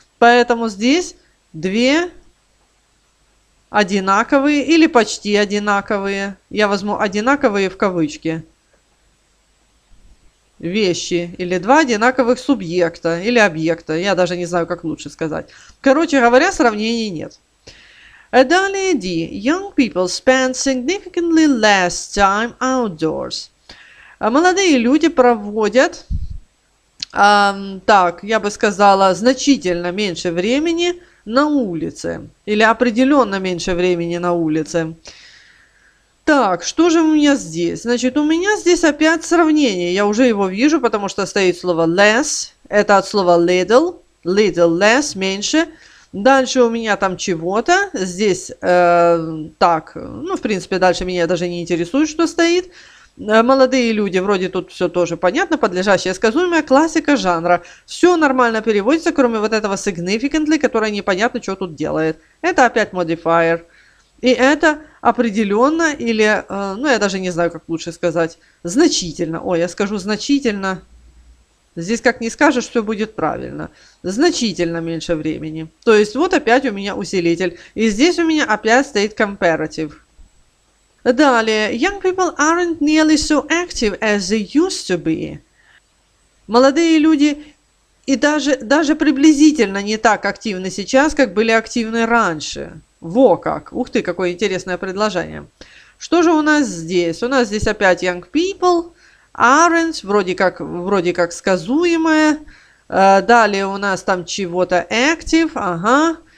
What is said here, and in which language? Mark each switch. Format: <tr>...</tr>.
<ru>Поэтому здесь две одинаковые или почти одинаковые, я возьму одинаковые в кавычки, вещи или два одинаковых субъекта или объекта, я даже не знаю, как лучше сказать. Короче говоря, сравнений нет. Далее D.</ru> <en>Young people spend significantly less time outdoors.</en> <ru>Молодые люди проводят, так, я бы сказала, значительно меньше времени на улице. Или определенно меньше времени на улице. Так, что же у меня здесь? Значит, у меня здесь опять сравнение. Я уже его вижу, потому что стоит слово less. Это от слова little. Little less, меньше. Дальше у меня там чего-то. Здесь так. Ну, в принципе, дальше меня даже не интересует, что стоит. Молодые люди, вроде тут все тоже понятно, подлежащее сказуемое, классика жанра. Все нормально переводится, кроме вот этого significantly, которое непонятно, что тут делает. Это опять modifier. И это определенно или, ну я даже не знаю, как лучше сказать, значительно. Ой, я скажу значительно. Здесь как не скажешь, все будет правильно. Значительно меньше времени. То есть вот опять у меня усилитель. И здесь у меня опять стоит comparative. Далее,</ru> <en>young people aren't nearly so active as they used to be.</en> <ru>Молодые люди И даже приблизительно не так активны сейчас, как были активны раньше. Во как! Ух ты, какое интересное предложение. Что же у нас здесь? У нас здесь опять Young People, Aren't, вроде как сказуемое. Далее у нас там чего-то Active, ага.</ru>